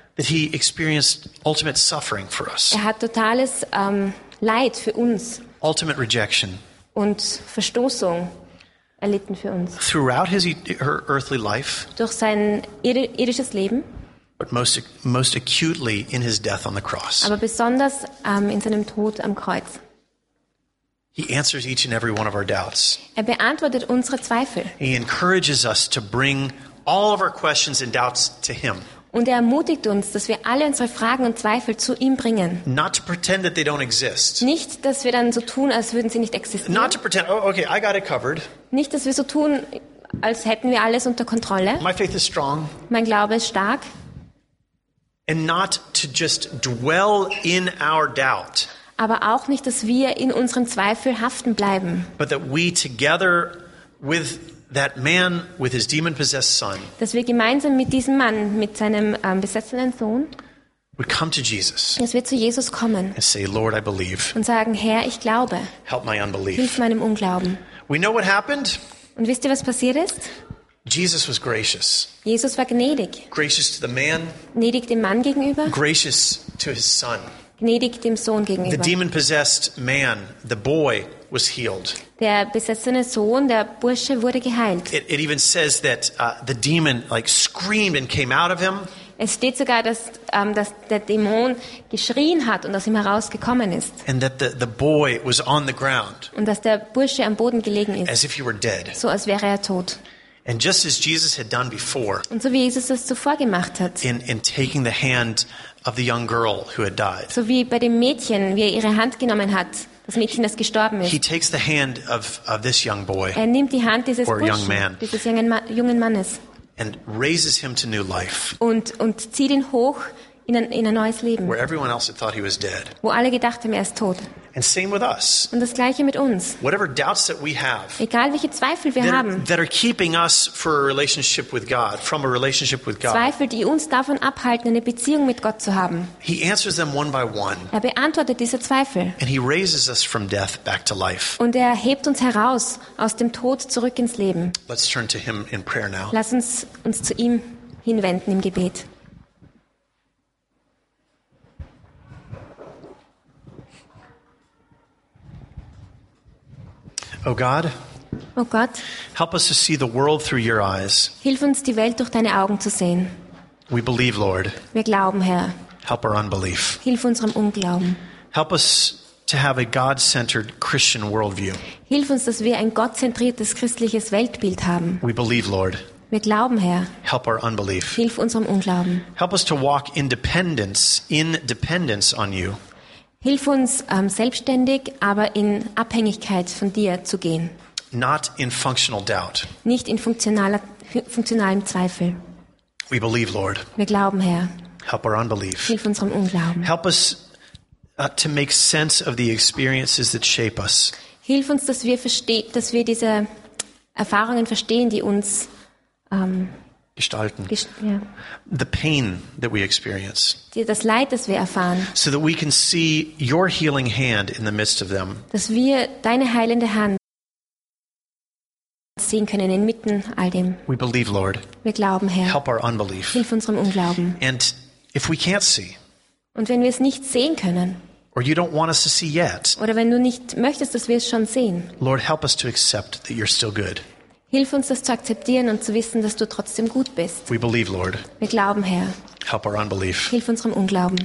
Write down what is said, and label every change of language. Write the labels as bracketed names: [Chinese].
[English] That he experienced ultimate suffering for us. [German] Er hat totales Leid für uns. [English] Ultimate rejection. [German] Und Verstoßung erlitten für uns. [English] Throughout his earthly life. [German] Durch sein irdisches Leben. [English] But most acutely in his death on the cross. [German] Aber besonders in seinem Tod am Kreuz. [English] He answers each and every one of our doubts. [German] Er beantwortet unsere Zweifel. [English] He encourages us to bring all of our questions and doubts to him. [German] Und er ermutigt uns, dass wir alle unsere Fragen und Zweifel zu ihm bringen. [English] Not to pretend that they don't exist. [German] Nicht, dass wir dann so tun, als würden sie nicht existieren. [English] Not to pretend, oh, okay, I got it covered. [German] Nicht, dass wir so tun, als hätten wir alles unter Kontrolle. [English] My faith is strong. [German] Mein Glaube ist stark. [English] And not to just dwell in our doubt. [German] Aber auch nicht, dass wir in unserem Zweifel haften bleiben. [English] But that we together with that man with his demon-possessed son. [German] Dass wir gemeinsam mit diesem Mann, mit seinem besessenen Sohn, [English] would come to Jesus. [German] Dass wir zu Jesus kommen. [English] And say, Lord, I believe. [German] Und sagen, Herr, ich glaube. [English] Help my unbelief. [German] Hilf meinem Unglauben. [English] We know what happened. [German] Und wisst ihr, was passiert ist? [English] Jesus was gracious. [German] Jesus war gnädig. [English] Gracious to the man. [German] Gnädig dem Mann gegenüber. [English] Gracious to his son. [German] Gnädig dem Sohn gegenüber. [English] The demon-possessed man, the boy, was healed. [German] Der besessene Sohn, der Bursche, wurde geheilt. [English] It even says that the demon like screamed and came out of him. [German] Es steht sogar, dass der Dämon geschrien hat und aus ihm herausgekommen ist. [English] And that the boy was on the ground. [German] Und dass der Bursche am Boden gelegen ist. [English] As if he were dead. [German] So als wäre er tot. [English] And just as Jesus had done before. [German] Und so wie Jesus es zuvor gemacht hat. [English] In taking the hand of the young girl who had died. [German] So wie bei dem Mädchen, wie er ihre Hand genommen hat. Das Mädchen, das gestorben ist. [English] He takes the hand of this young boy. [German] Er nimmt die Hand dieses Burschen, dieses jungen Mannes. [English] and raises him to new life. [German] Und zieht ihn hoch in ein neues Leben. [English] Where everyone else had thought he was dead. [German] Wo alle gedacht haben, er ist tot. [English] And same with us. [German] Und das gleiche mit uns. [English] Whatever doubts that we have. [German] Egal welche Zweifel wir haben. [English] That are keeping us for a relationship with God, from a relationship with God. [German] Zweifel, die uns davon abhalten, eine Beziehung mit Gott zu haben. [English] He answers them one by one. [German] Er beantwortet diese Zweifel. [English] And he raises us from death back to life. [German] Und er hebt uns heraus aus dem Tod zurück ins Leben. [English] Let's turn to him in prayer now. [German] Lass uns zu ihm hinwenden im Gebet. [English] Oh God. [German] Oh Gott. [English] Help us to see the world through your eyes. [German] Hilf uns, die Welt durch deine Augen zu sehen. [English] We believe, Lord. [German] Wir glauben, Herr. [English] Help our unbelief. [German] Hilf unserem Unglauben. [English] Help us to have a God-centered Christian worldview. [German] Hilf uns, dass wir ein gottzentriertes christliches Weltbild haben. [English] We believe, Lord. [German] Wir glauben, Herr. [English] Help our unbelief. [German] Hilf unserem Unglauben. [English] Help us to walk in dependence on you. [German] Hilf uns, selbstständig, aber in Abhängigkeit von dir zu gehen. [English] Not in functional doubt. [German] Nicht in funktionalem Zweifel. [English] We believe, Lord. [German] Wir glauben, Herr. [English] Help our unbelief. [German] Hilf unserem Unglauben. [English] Help us to make sense of the experiences that shape us. [German] Hilf uns, dass wir diese Erfahrungen verstehen, die uns gestalten. [English] The pain that we experience. [German] Das Leid, das wir erfahren. [English] So that we can see your healing hand in the midst of them. [German] Dass wir deine heilende Hand sehen können inmitten all dem. [English] We believe, Lord. [German] Wir glauben, Herr. [English] Help our unbelief. [German] Hilf unserem Unglauben. [English] And if we can't see. [German] Und wenn wir es nicht sehen können. [English] Or you don't want us to see yet. [German] Oder wenn du nicht möchtest, dass wir es schon sehen. [English] Lord, help us to accept that you're still good. [German] Hilf uns, das zu akzeptieren und zu wissen, dass du trotzdem gut bist. [English] We believe, Lord. [German] Wir glauben, Herr. [English] Help our unbelief. [German] Hilf unserem Unglauben.